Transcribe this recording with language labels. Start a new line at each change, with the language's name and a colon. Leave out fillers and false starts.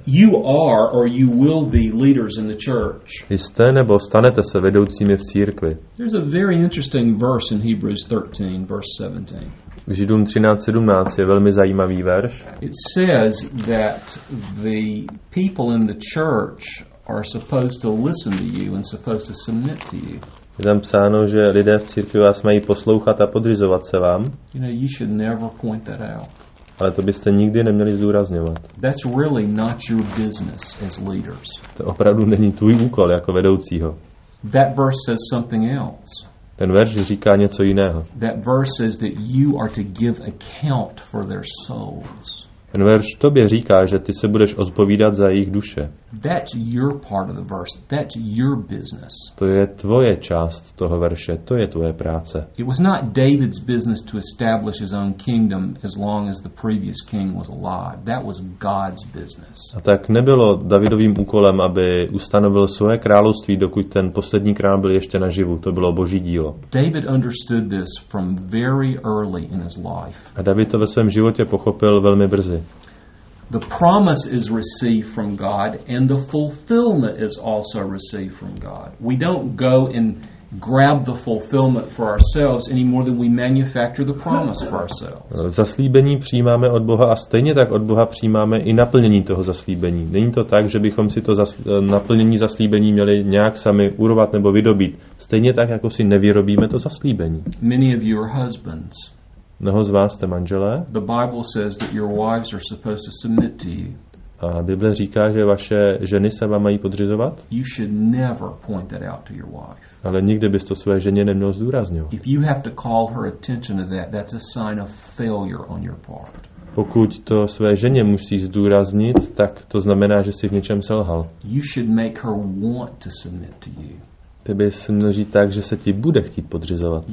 English: You are or you will be leaders in the church.
Czech: Jste nebo stanete se vedoucími v církvi.
English: There's a very interesting verse in Hebrews 13 verse 17.
Czech: V Židům 13:17 je velmi zajímavý verš.
English: It says that the people in the church are supposed to listen to you and supposed to submit to you.
Czech: Je tam psáno, že lidé v církvi vás mají poslouchat a podřizovat se vám.
English: You know, you should never point that out.
Czech: Ale to byste nikdy neměli zdůrazňovat.
English: That's really not your business as leaders.
Czech: To opravdu není tvůj úkol jako vedoucího.
English: That verse says something else.
Czech: Ten verš říká něco jiného.
English: That verse says that you are to give account for their souls.
Czech: Ten verš tobě říká, že ty se budeš odpovídat za jejich duše.
English: That's your part of the verse. That's your business.
Czech: To je tvoje část toho verše, to je tvoje práce.
English: It was not David's business to establish his own kingdom as long as the previous king was alive. That was God's business.
Czech: A tak nebylo Davidovým úkolem, aby ustanovil svoje království, dokud ten poslední král byl ještě naživu. To bylo Boží dílo.
English: David understood this from very early in his life.
Czech: A David to ve svém životě pochopil velmi brzy.
English: The promise is received from God and the fulfillment is also received from God. We don't go and grab the fulfillment for ourselves any more than we manufacture the promise for ourselves.
Czech: Zaslíbení přijímáme od Boha a stejně tak od Boha přijímáme i naplnění toho zaslíbení. Není to tak, že bychom si to naplnění zaslíbení měli nějak sami urovat nebo vydobít. Stejně tak, jako si nevyrobíme to zaslíbení.
English: Many of your husbands.
Czech: Mnoho z vás jste manželé.
English: The Bible says that your wives are supposed to submit to you.
Czech: A Bible říká, že vaše ženy se vám mají podřizovat.
English: You should never point that out to your wife.
Czech: Ale nikdy bys to své ženě neměl zdůrazňovat.
English: If you have to call her attention to that, that's a sign of failure on your part.
Czech: Pokud to své ženě musí zdůraznit, tak to znamená, že si v něčem selhal.
English: You should make her want to submit to you.
Czech: Ty bys měl říct tak, že se ti bude chtít podřizovat.